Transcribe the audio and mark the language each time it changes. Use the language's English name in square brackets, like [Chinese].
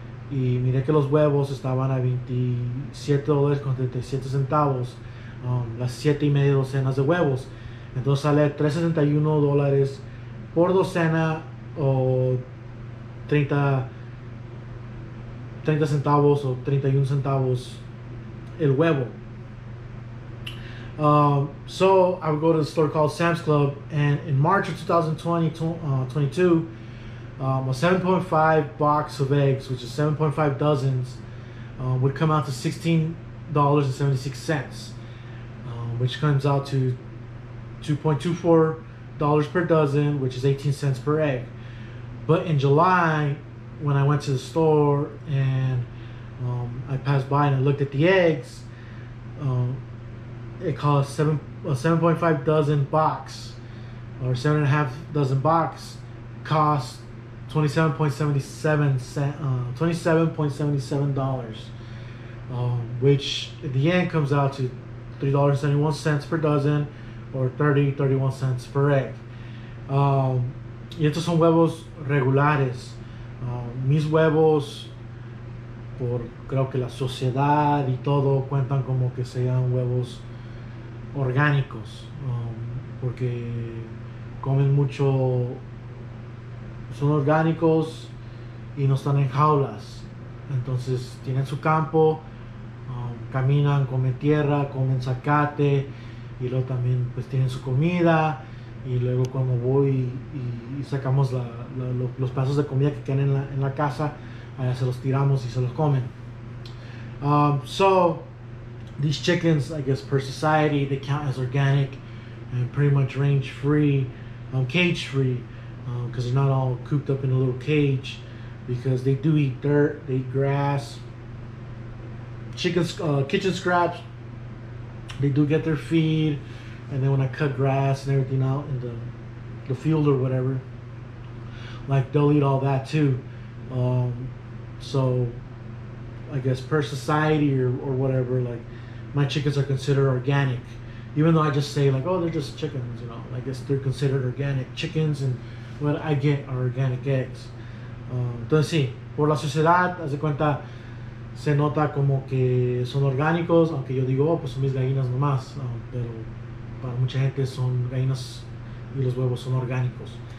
[Spanish] Y miré que los huevos estaban a $27.37, las 7 y media docenas de huevos. Entonces sale $3.61 por docena, o 30 centavos o 31 centavos el huevo. [English] So I would go to the store called Sam's Club, and in March of 2022, a 7.5 box of eggs, which is 7.5 dozens, would come out to $16.76, which comes out to $2.24 per dozen, which is 18 cents per egg. But in July, when I went to the store and I passed by and I looked at the eggs, it cost a 7.5 dozen box, or 7.5 dozen box, cost $27.77, which at the end comes out to $3.71 per dozen, or 31 cents per egg. [Spanish] Y estos son huevos regulares. Mis huevos, por creo que la sociedad y todo, cuentan como que sean huevos orgánicos, porque comen mucho. Son orgánicos y no están en jaulas. Entonces tienen su campo, caminan, comen tierra, comen zacate, y luego también pues tienen su comida, Y luego cuando voy y sacamos los pedazos de comida que quedan en la casa, allá se los tiramos y se los comen. [English] So, these chickens, I guess per society, they count as organic and pretty much range free, cage free, because they're not all cooped up in a little cage, because they do eat dirt, they eat grass, chickens, kitchen scraps. They do get their feed, and then when I cut grass and everything out in the field or whatever, like, they'll eat all that too. So I guess per society or whatever, like, my chickens are considered organic, even though I just say, like, oh, they're just chickens, you know. I guess they're considered organic chickens, and what I get are organic eggs. [Spanish] Entonces sí, por la sociedad, haz de cuenta, se nota como que son orgánicos, aunque yo digo, oh, pues son mis gallinas nomás, pero para mucha gente son gallinas y los huevos son orgánicos.